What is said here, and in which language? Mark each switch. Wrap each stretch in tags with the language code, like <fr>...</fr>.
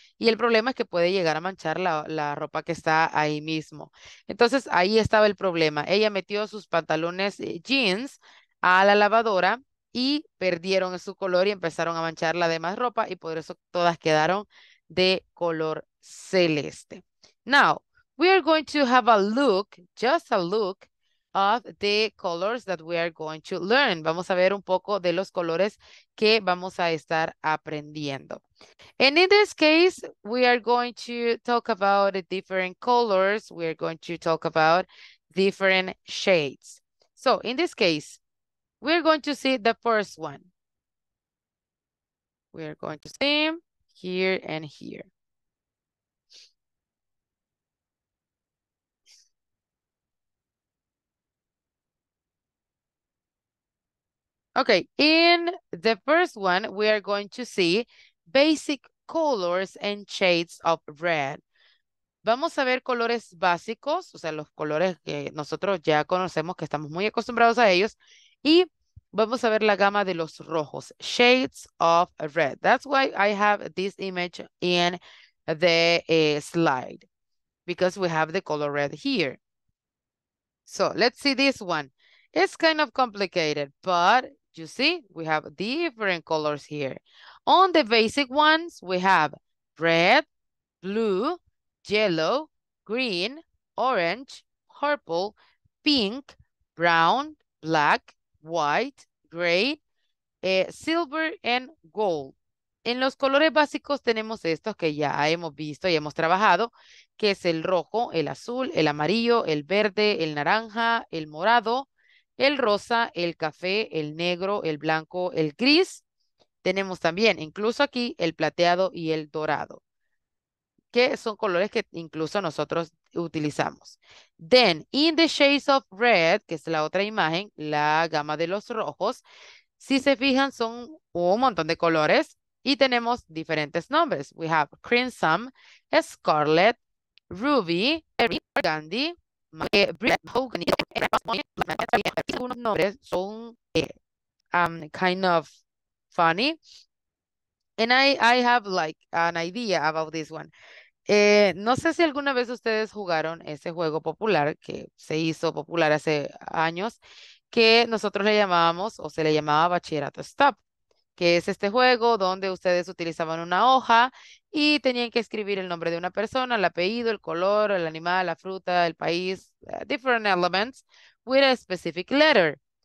<es>Y el problema es que puede llegar a manchar la ropa que está ahí mismo. Entonces ahí estaba el problema. Ella metió sus pantalones jeans a la lavadora. Y perdieron su color y empezaron a manchar la demás ropa. Y por eso todas quedaron de color celeste.</es> <en>Now, we are going to have a look, just a look, of the colors that we are going to learn.</en> <es>Vamos a ver un poco de los colores que vamos a estar aprendiendo.</es> <en>And in this case, we are going to talk about the different colors. We are going to talk about different shades. So, in this case, we're going to see the first one. We're going to see here and here. Okay, in the first one, we are going to see basic colors and shades of red.</en> <es>Vamos a ver colores básicos, o sea, los colores que nosotros ya conocemos, que estamos muy acostumbrados a ellos, y vamos a ver la gama de los rojos,</es> <en>shades of red. That's why I have this image in the slide, because we have the color red here. So let's see this one. It's kind of complicated, but you see, we have different colors here. On the basic ones, we have red, blue, yellow, green, orange, purple, pink, brown, black, white, gray, silver, and gold.</en> <es>En los colores básicos tenemos estos que ya hemos visto y hemos trabajado, que es el rojo, el azul, el amarillo, el verde, el naranja, el morado, el rosa, el café, el negro, el blanco, el gris. Tenemos también, incluso aquí, el plateado y el dorado, que son colores que incluso nosotros utilizamos.</es> <en>Then, in the shades of red,</en> <es>que es la otra imagen, la gama de los rojos, si se fijan, son un montón de colores y tenemos diferentes nombres.</es> <en>We have crimson, scarlet, ruby, burgundy,</en> <es>algunos nombres son</es> <en>kind of funny. And I have like an idea about this one.</en> <es>No sé si alguna vez ustedes jugaron ese juego popular que se hizo popular hace años, que nosotros le llamábamos o se le llamaba Bachillerato Stop, que es este juego donde ustedes utilizaban una hoja y tenían que escribir el nombre de una persona, el apellido, el color, el animal, la fruta, el país,</es> <en>different elements with a specific letter.</en>